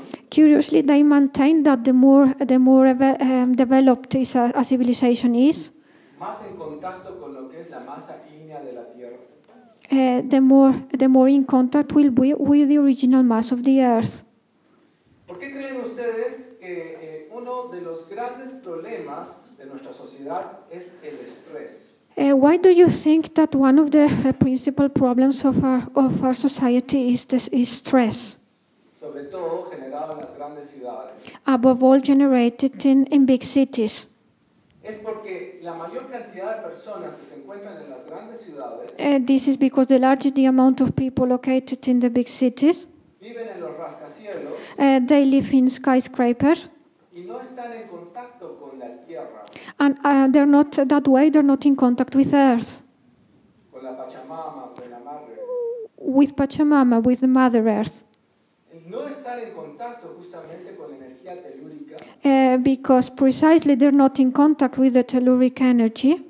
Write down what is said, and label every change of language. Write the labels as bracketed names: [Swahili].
[English] Curiously, they maintain that the more developed is a civilization is. The more in contact will be with the original mass of the Earth. [Spanish] ¿Por qué creen ustedes que uno de los grandes problemas de nuestra sociedad es el estrés? [English] Why do you think that one of the principal problems of our society is stress? [Spanish] Sobre todo generado en las grandes ciudades. [English] Above all generated in big cities. [Spanish] Es porque la mayor cantidad de personas que se encuentran en las grandes ciudades. [English] This is because the larger the amount of people located in the big cities. [Spanish] Viven en los rascacielos. [English] They live in skyscrapers. [Spanish] Y no están en contacto con la tierra. [English] And they're not that way, they're not in contact with Earth. [Spanish] Con la Pachamama, con la madre. [English] With Pachamama, with the Mother Earth. [Spanish] No estar en contacto justamente con la energía telúrica. [English] Because precisely they're not in contact with the telluric energy.